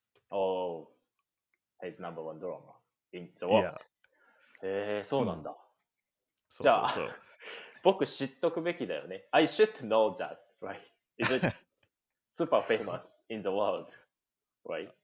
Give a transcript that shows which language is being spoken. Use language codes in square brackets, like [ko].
[en] Oh, his number one drama in the world. [ja] Yeah. そうなんだ。じゃあ、僕知っとくべきだよね。 [en] I should know that, right? Is it super famous in the world, right?